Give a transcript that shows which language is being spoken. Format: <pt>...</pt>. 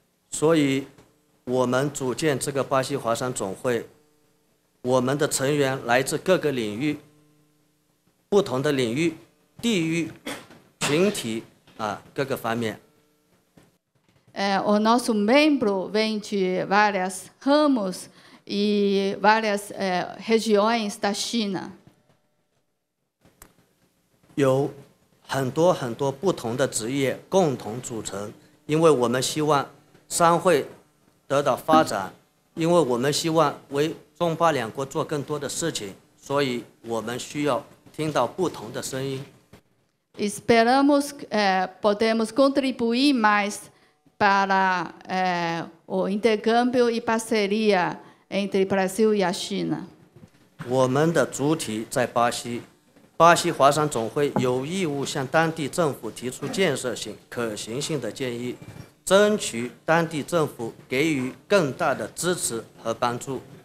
<zh>所以我们组建这个巴西华山总会，我们的成员来自各个领域，不同的领域、地域、群体啊，各个方面。</zh> <pt>O nosso membro vem de várias ramos. E várias regiões da China.</pt> <zh>有很多很多不同的职业共同组成，因为我们希望商会得到发展，因为我们希望为中巴两国做更多的事情，所以我们需要听到不同的声音。</zh> <pt>Esperamos podemos contribuir mais para o intercâmbio e parceria. Entre Brasil e a China.</pt> <zh>我们的主体在巴西，巴西华山总会有义务向当地政府提出建设性、可行性的建议，争取当地政府给予更大的支持和帮助。</zh>